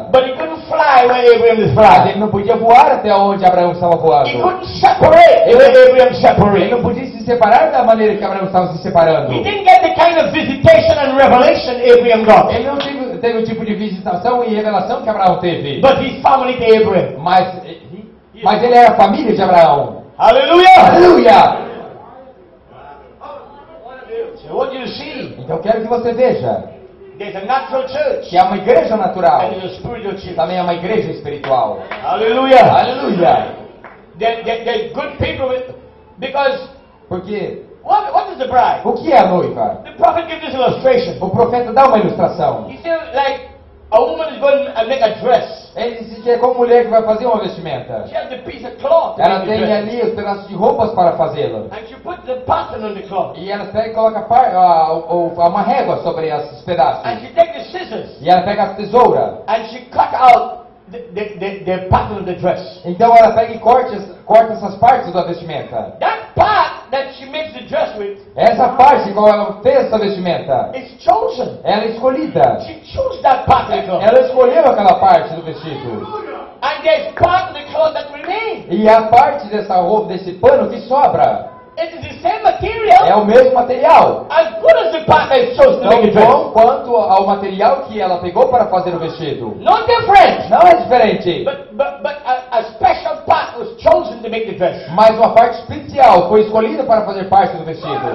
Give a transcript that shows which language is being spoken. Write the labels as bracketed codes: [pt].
[en] But he couldn't fly where Abraham was flying. [pt] Ele não podia voar até onde Abraão estava voando. [en] He couldn't separate. Abraham separated. [pt] Ele não podia se separar da maneira que Abraão estava se separando. [en] He didn't get the kind of visitation and revelation Abraham got. [pt] Ele não teve o tipo de visitação e revelação que Abraão teve. [en] But his family to Abraham. [pt] Mas ele era a família de Abraão. [en] Aleluia! [pt] Aleluia! [en] So you see? [pt] Então eu quero que você veja. [en] There's a natural church. [pt] Que é uma igreja natural. [en] And a spiritual church. [pt] Também é uma igreja espiritual. [en] Aleluia! [pt] Aleluia! [en] They're good people because. [pt] Por quê? [en] What is the bride? [pt] O que é a noiva? [en] The prophet gives this illustration. [pt] O profeta dá uma ilustração. [en] He said, like a woman is going to make a dress. [pt] Ele disse que é como mulher que vai fazer uma vestimenta. [en] She has the piece of cloth. [pt] Ela tem ali os pedaços de roupas para fazê-la. [en] And she puts the pattern on the cloth. [pt] E ela pega e coloca uma régua sobre esses pedaços. [en] And she takes the scissors. [pt] E ela pega a tesoura. [en] And she cut out the pattern of the dress. [pt] Então ela pega e corta essas partes da vestimenta. [en] That part. That she makes the dress with. [pt] Essa parte com ela fez essa vestimenta. [en] It's chosen. [pt] Ela é escolhida. [en] She chose that part. [pt] Ela escolheu aquela parte do vestido. [en] And And there's part of the cloth that remains. [pt] E há parte dessa roupa, desse pano que sobra. [en] It is the same material. [pt] É o mesmo material. [en] As good as the part that shows to make it dress. [pt] Tão bom quanto ao material que ela pegou para fazer o vestido. [en] Not different. [pt] Não é diferente. [en] But a special part was chosen to make the dress. [pt] Mas uma parte especial foi escolhida para fazer parte do vestido.